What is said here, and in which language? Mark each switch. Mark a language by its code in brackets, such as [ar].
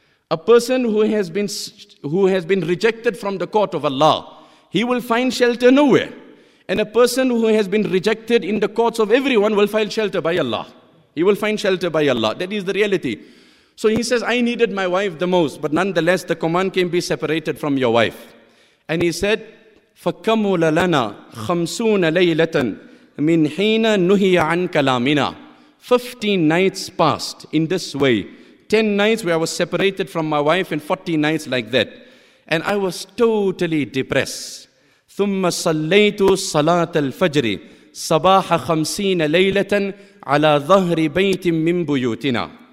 [en] A person who has been rejected from the court of Allah, he will find shelter nowhere. And a person who has been rejected in the courts of everyone will find shelter by Allah. That is the reality. So he says, I needed my wife the most, but nonetheless, the command came, be separated from your wife. And he said, [ar] فَكَمُلَ لَنَا خَمْسُونَ لَيْلَةً مِنْ حِينَ نُهِيَ عَنْ كَلَامِنَا. [en] 15 nights passed in this way. 10 nights where I was separated from my wife and 40 nights like that. And I was totally depressed. [ar] ثُمَّ صَلَّيْتُ صَلَاةَ الْفَجْرِ صَبَاحَ خَمْسِينَ لَيْلَةً عَلَىٰ ظَهْرِ بَيْتٍ مِّن بُيُوتِنَا.